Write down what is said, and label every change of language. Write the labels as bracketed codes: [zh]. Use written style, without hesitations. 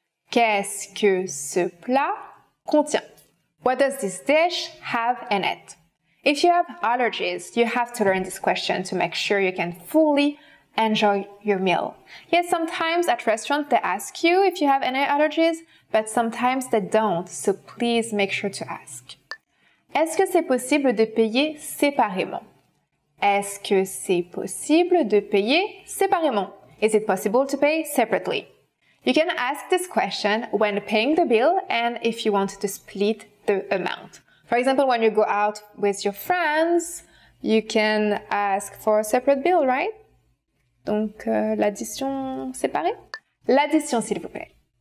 [fr] Qu'est-ce que ce plat contient? [en] What does this dish have in it? If you have allergies, you have to learn this question to make sure you can fully enjoy your meal. Yes, sometimes at restaurants they ask you if you have any allergies, but sometimes they don't, so please make sure to ask. [fr] Est-ce que c'est possible de payer séparément? Est-ce que c'est possible de payer séparément? [en] Is it possible to pay separately? You can ask this question when paying the bill and if you want to split the amount. For example, when you go out with your friends, you can ask for a separate bill, right? [fr] Donc, l'addition séparée? L'addition, s'il vous plaît.